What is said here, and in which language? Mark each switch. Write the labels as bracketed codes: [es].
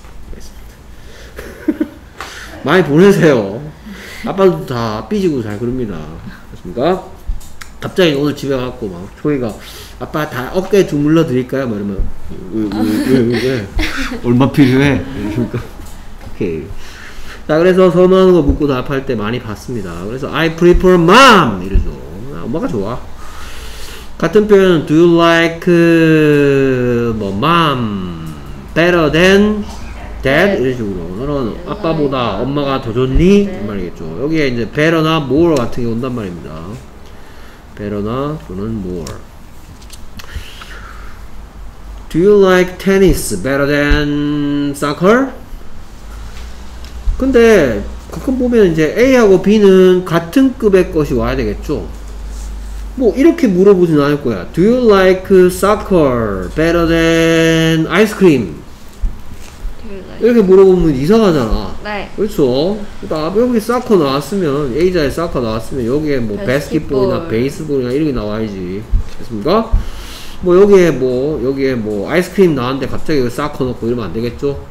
[ko] 알겠습니다. 많이 보내세요. 아빠도 다 삐지고 잘 그럽니다. 그렇습니까? 갑자기 오늘 집에 와갖고 막 초이가 아빠 다 어깨 좀 물러 드릴까요? 막 이러면 왜 얼마 필요해? 그러니까 오케이. 자, 그래서 선호하는 거 묻고 답할 때 많이 봤습니다. 그래서 [en] I prefer mom [ko] 이러죠. 아, 엄마가 좋아. 같은 표현은 [en] Do you like 뭐 mom better than dad? [ko] 이런 식으로 너는 아빠보다 엄마가 더 좋니? 이 말이겠죠. 여기에 이제 better나 more 같은 게 온단 말입니다. better나 또는 more. [en] Do you like tennis better than soccer? [ko] 근데 가끔 보면 이제 A하고 B는 같은 급의 것이 와야 되겠죠. 뭐 이렇게 물어보진 않을 거야. [en] Do you like soccer better than ice cream? Like [ko] 이렇게 물어보면 이상하잖아. 네. 그렇죠. 그다음 여기 soccer 나왔으면 A자에 soccer 나왔으면 여기에 뭐 basketball이나 baseball이나 이렇게 나와야지. 됐습니까? 뭐 여기에 뭐 아이스크림 나왔는데 갑자기 여기 soccer 넣고 이러면 안 되겠죠?